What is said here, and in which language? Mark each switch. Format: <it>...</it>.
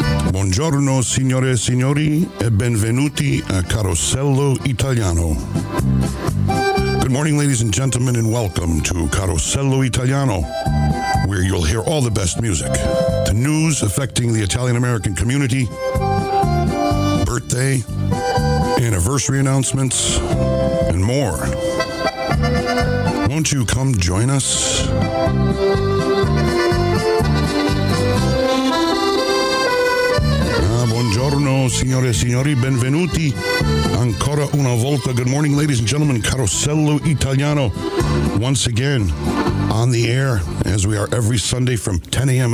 <it>Buongiorno signore e signori e benvenuti a Carosello Italiano.</it> <en>Good morning ladies and gentlemen and welcome to Carosello Italiano, where you'll hear all the best music, the news affecting the Italian-American community, birthday, anniversary announcements, and more. Won't you come join us?</en> <it>Buongiorno, signore e signori, benvenuti ancora una volta.</it> <en>Good morning, ladies and gentlemen, Carosello Italiano, once again on the air, as we are every Sunday from 10 a.m.</en>